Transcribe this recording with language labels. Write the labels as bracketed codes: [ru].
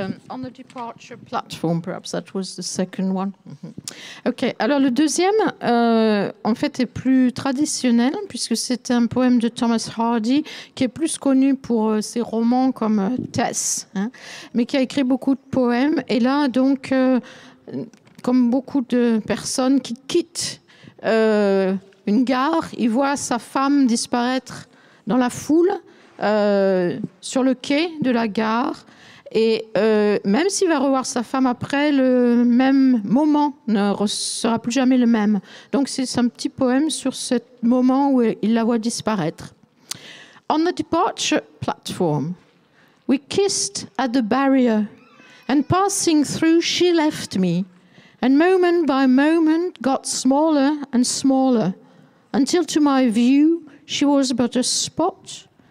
[en] On the departure platform, perhaps that was the second one. Mm-hmm. [fr] Ok, alors le deuxième, en fait, est plus traditionnel, puisque c'est un poème de Thomas Hardy, qui est plus connu pour ses romans comme Tess, hein, mais qui a écrit beaucoup de poèmes. Et là, donc, comme beaucoup de personnes qui quittent une gare, il voit sa femme disparaître dans la foule, sur le quai de la gare. Et même s'il va revoir sa femme après, le même moment ne sera plus jamais le même. Donc c'est un petit poème sur ce moment où il la voit disparaître. [en] On the departure platform, we kissed at the barrier, and passing through she left me, and moment by moment got smaller and smaller, until to my view she was but a spot.